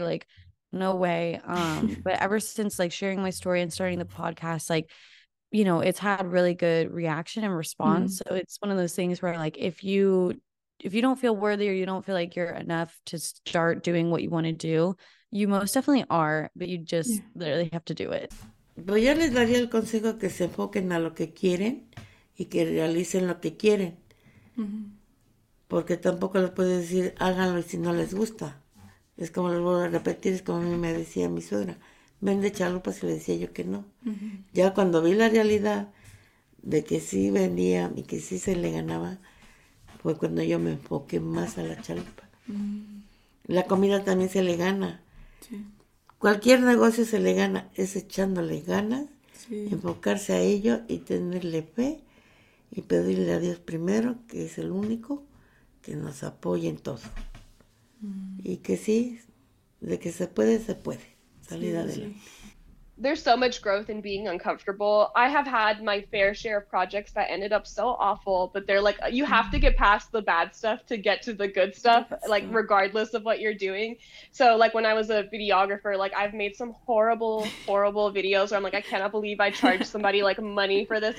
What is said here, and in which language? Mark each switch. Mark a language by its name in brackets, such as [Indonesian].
[English] Like, no way. But ever since, like, sharing my story and starting the podcast, like, you know, it's had really good reaction and response. So it's one of those things where, like, if you don't feel worthy or you don't feel like you're enough to start doing what you want to do, you most definitely are, but you just literally have to do it. [Spanish] Yo les daría el consejo que se enfoquen a lo que quieren y que realicen lo que quieren. Porque tampoco les puedo decir háganlo si no les gusta. Es como, les vuelvo a repetir, es como a mí me decía mi suegra, vende chalupas, y le decía yo que no. Ya cuando vi la realidad de que sí vendía y que sí se le ganaba, fue cuando yo me enfoqué más a la chalupa. La comida también se le gana. Cualquier negocio se le gana, es echándole ganas, enfocarse a ello y tenerle fe y pedirle a Dios primero, que es el único que nos apoya en todo. Y que sí, de que se puede, salir adelante. [English] There's so much growth in being uncomfortable. I have had my fair share of projects that ended up so awful, but they're like, you have to get past the bad stuff to get to the good stuff, like, regardless of what you're doing. So, like, when I was a videographer, like, I've made some horrible, horrible videos where I'm like, I cannot believe I charged somebody, like, money for this.